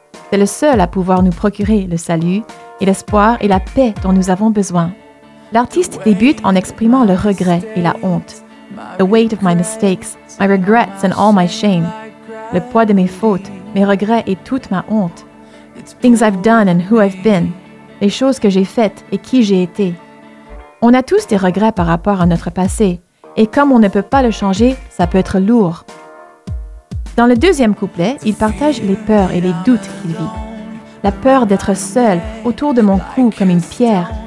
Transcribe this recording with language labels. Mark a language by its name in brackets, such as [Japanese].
[French] C'est le seul à pouvoir nous procurer le salut et l'espoir et la paix dont nous avons besoin. » L'artiste débute en exprimant le regret et la honte. [English] « The weight of my mistakes, my regrets and all my shame. » [French] Le poids de mes fautes, mes regrets et toute ma honte. [English] Things I've done and who I've been. [French] Les choses que j'ai faites et qui j'ai été. On a tous des regrets par rapport à notre passé. Et comme on ne peut pas le changer, ça peut être lourd. Dans le deuxième couplet, il partage les peurs et les doutes qu'il vit. La peur d'être seul, autour de mon cou comme une pierre.